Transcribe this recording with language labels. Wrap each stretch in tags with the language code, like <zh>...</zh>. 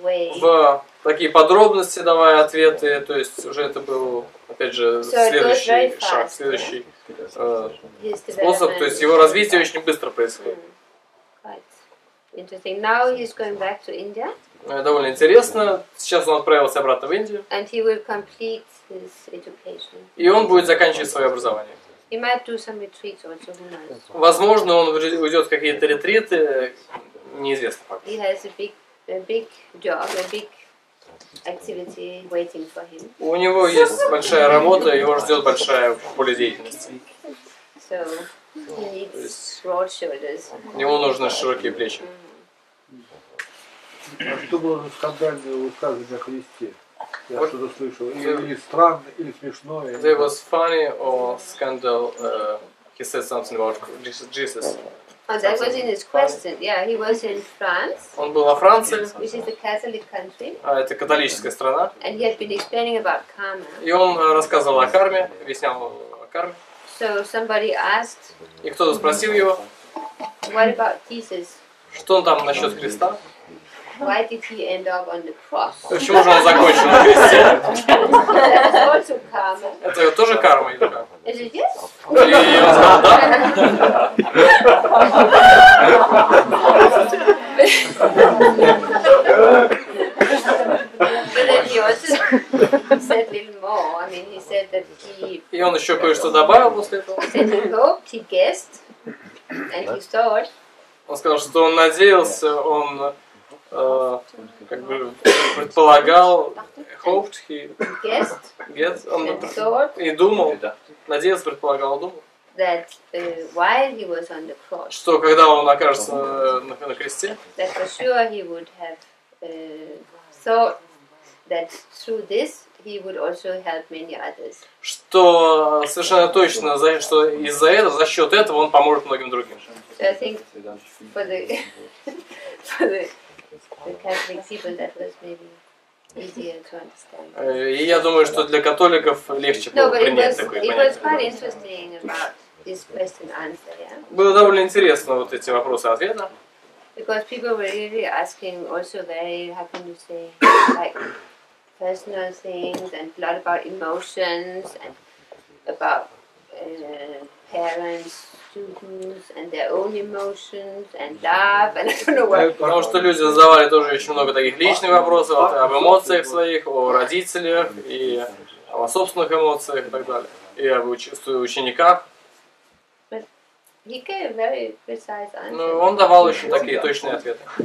<ru>в такие подробности, давая ответы. То есть уже это был, опять же, следующий шаг, следующий способ. То есть его развитие очень быстро происходит.</ru> <en>Interesting. Now he's going back to India.</en> <ru>Довольно интересно. Сейчас он отправился обратно в Индию.</ru> <en>And he will complete his education.</en> <ru>И он будет заканчивать свое образование.</ru> <en>He might do some retreats also, who knows.</en> <ru>Возможно, он уйдет в какие-то ретриты, неизвестно пока.</ru> <en>He has a big job, a big activity waiting for him.</en> <ru>У него есть большая работа, его ждет большая поле деятельности.</ru> <en>So. He needs broad shoulders.</en> <ru>Ему нужны широкие плечи. А что было на скандальное высказывание о Христе? Я что-то слышал. Или странное, или смешное.</ru> <en>There was funny or scandal. He said something about Jesus. Oh, that was in his question. Yeah, he was in France.</en> <ru>Он был во Франции.</ru> <en>Which is a Catholic country.</en> <ru>А это католическая страна.</ru> <en>And he had been explaining about karma.</en> <ru>И он рассказывал о карме, объяснял о карме.</ru> <en>So somebody asked.</en> <ru>И кто-то спросил его.</ru> <en>What about Jesus?</en> <ru>Что он там насчет Христа?</ru> <en>Why did he end up on the cross?</en> <ru>Почему же он закончил на кресте?</ru> <en>That's also karma.</en> <ru>Это тоже карма, или как?</ru> <en>Is it yes?</en> <ru>И он сказал да.</ru> <en>But then he also said a little more. I mean, he said that he.</en> <ru>И он еще кое-что добавил после этого.</ru> <en>He said he hoped, he guessed, and he thought.</en> <ru>Он сказал, что он надеялся, он как бы предполагал,</ru> <en>hoped, he guessed, and thought.</en> <ru>И думал, надеялся, предполагал, думал.</ru> <en>That while he was on the cross.</en> <ru>Что когда он окажется на кресте?</ru> <en>That for sure he would have thought. That through this he would also help many others.</en> <ru>Что совершенно точно, что из-за этого, за счет этого он поможет многим другим.</ru> <en>So I think for the Catholic people that was maybe easier to understand.</en> <ru>И я думаю, что для католиков легче было принять такое понятие.</ru> <en>No, but it was quite interesting about this question answer, yeah?</en> <ru>Было довольно интересно вот эти вопросы и ответы.</ru> <en>Because people were really asking also very, how can you say, like personal things and a lot about emotions and about parents, students and their own emotions and love and I don't know what.</en> <ru>Потому что люди задавали тоже очень много таких личных вопросов вот, об эмоциях своих, о родителях и о собственных эмоциях и так далее. И об учениках.</ru> <en>He gave very precise answers. Ну, он давал очень такие точные ответы.</en>